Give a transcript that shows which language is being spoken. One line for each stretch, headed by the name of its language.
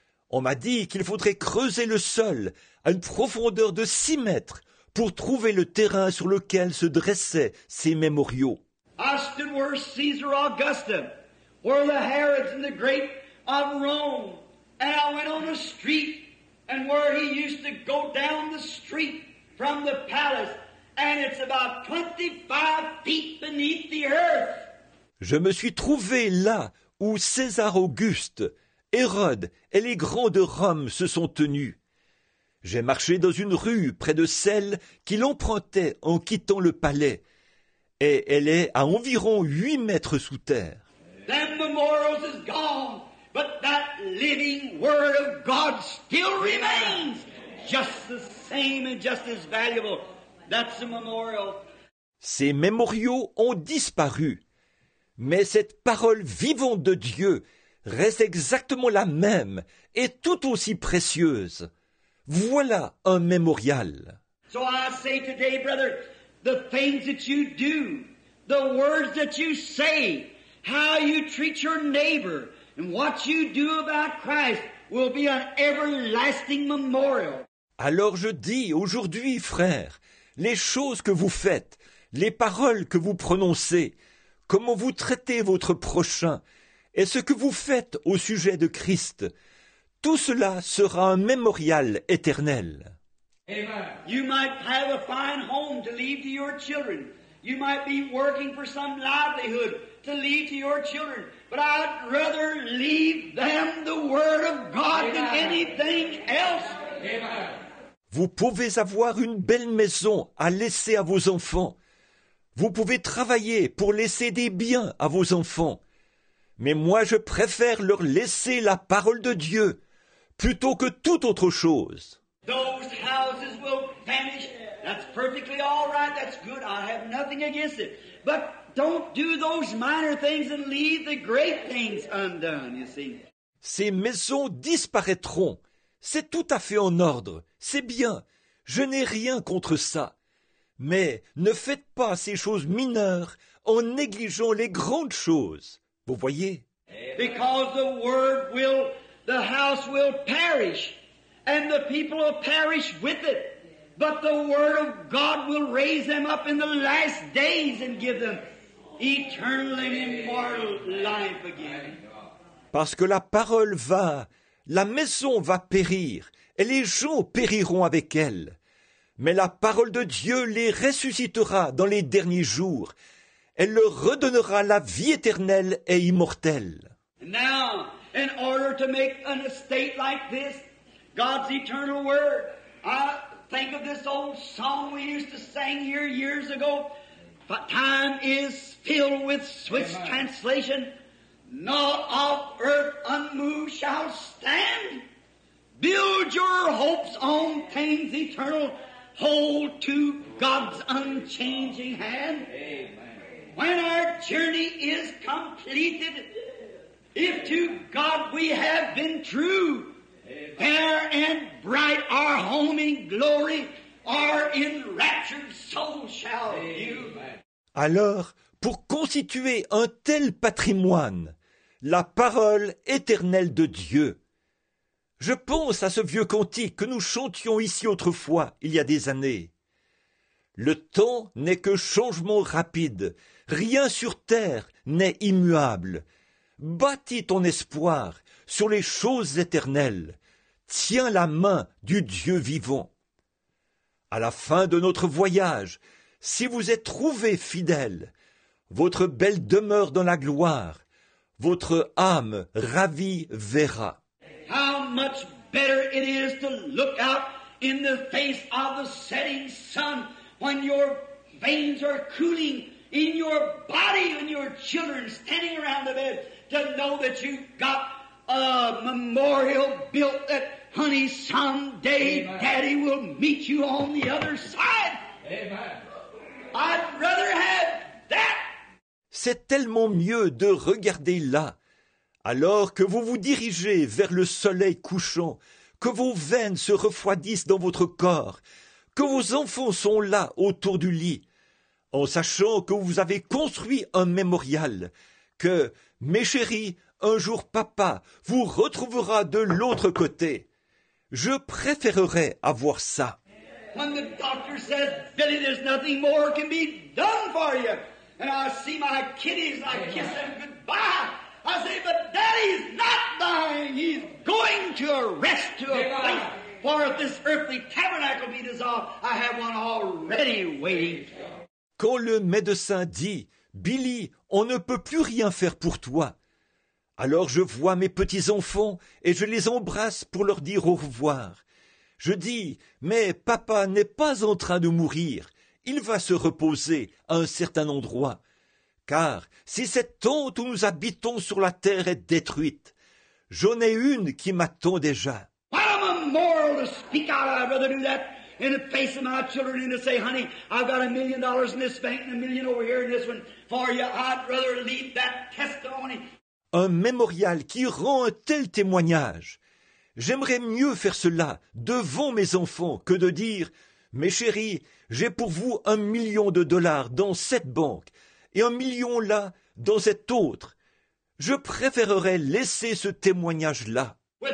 French: On m'a dit qu'il faudrait creuser le sol à une profondeur de 6 mètres pour trouver le terrain sur lequel se dressaient ces mémoriaux.
English: I stood where Caesar Augustus, where the Herods and the great of Rome, and I went on the street, and where he used to go down the street from the palace, and it's about 25 feet beneath the earth.
French: Je me suis trouvé là où César Auguste, Hérode et les grands de Rome se sont tenus. J'ai marché dans une rue près de celle qu'il empruntait en quittant le palais, et elle est à environ 8 mètres sous terre.
English: Them memorials is gone, but that living word of God still remains, just the same and just as valuable. That's a memorial.
French: Ces mémoriaux ont disparu, mais cette parole vivante de Dieu reste exactement la même et tout aussi précieuse. Voilà un mémorial.
English: So I say today, brother, the things that you do, the words that you say, how you treat your neighbor, and what you do about Christ will be an everlasting memorial.
French: Alors je dis aujourd'hui, frère, les choses que vous faites, les paroles que vous prononcez, comment vous traitez votre prochain, et ce que vous faites au sujet de Christ, tout cela sera un mémorial éternel.
English: Amen. You might have a fine home to leave to your children. You might be working for some livelihood to leave to your children. But I'd rather leave them the word of God. Amen. Than anything else. Amen.
French: Vous pouvez avoir une belle maison à laisser à vos enfants. Vous pouvez travailler pour laisser des biens à vos enfants. Mais moi, je préfère leur laisser la parole de Dieu plutôt que toute autre chose.
English: Those houses will vanish. That's perfectly all right. That's good. I have nothing against it. But don't do those minor things and leave the great things undone, you see.
French: Ces maisons disparaîtront. C'est tout à fait en ordre. C'est bien. Je n'ai rien contre ça. Mais ne faites pas ces choses mineures en négligeant les grandes choses. Vous voyez?
English: Because the word will, the house will perish, and the people will perish with it. But the word of God will raise them up in the last days and give them eternal and immortal life again.
French: Parce que la parole va, la maison va périr, et les gens périront avec elle. Mais la parole de Dieu les ressuscitera dans les derniers jours. Elle leur redonnera la vie éternelle et immortelle.
English: Now, in order to make an estate like this, God's eternal word, I think of this old song we used to sing here years ago. But time is filled with Swiss Amen. Translation. Not of earth unmoved shall stand. Build your hopes on things eternal. Hold to God's unchanging hand. Amen. When our journey is completed, if to God we have been true, fair and bright our home in glory, our enraptured soul shall view.
French: Alors, pour constituer un tel patrimoine, la parole éternelle de Dieu. Je pense à ce vieux cantique que nous chantions ici autrefois, il y a des années. Le temps n'est que changement rapide, rien sur terre n'est immuable. Bâtis ton espoir sur les choses éternelles, tiens la main du Dieu vivant. À la fin de notre voyage, si vous êtes trouvés fidèles, votre belle demeure dans la gloire, votre âme ravie verra.
English: How much better it is to look out in the face of the setting sun when your veins are cooling in your body and your children standing around the bed to know that you've got a memorial built that, honey, someday Amen. Daddy will meet you on the other side. Amen. I'd rather have that.
French: C'est tellement mieux de regarder là, alors que vous vous dirigez vers le soleil couchant, que vos veines se refroidissent dans votre corps, que vos enfants sont là autour du lit, en sachant que vous avez construit un mémorial, que, mes chéris, un jour papa vous retrouvera de l'autre côté. Je préférerais avoir ça.
English: When the doctor says, Billy, there's nothing more can be done for you. And I see my kiddies, I kiss them goodbye. I say, but Daddy's not dying. He's going to a rest, to a place. For if this earthly tabernacle be dissolved, I have one already waiting.
French: Quand le médecin dit, Billy, on ne peut plus rien faire pour toi. Alors je vois mes petits-enfants et je les embrasse pour leur dire au revoir. Je dis, mais papa n'est pas en train de mourir. Il va se reposer à un certain endroit. Car si cette tente où nous habitons sur la terre est détruite, j'en ai une qui m'attend déjà.
English: I'm immoral to speak out. I'd rather do that in the face of my children and to say, honey, I've got $1 million in this bank and $1 million over here in this one for you. I'd rather leave that testimony.
French: Un mémorial qui rend un tel témoignage. J'aimerais mieux faire cela devant mes enfants que de dire, « Mes chéris, j'ai pour vous $1 million dans cette banque et $1 million là dans cette autre. Je préférerais laisser ce témoignage-là. »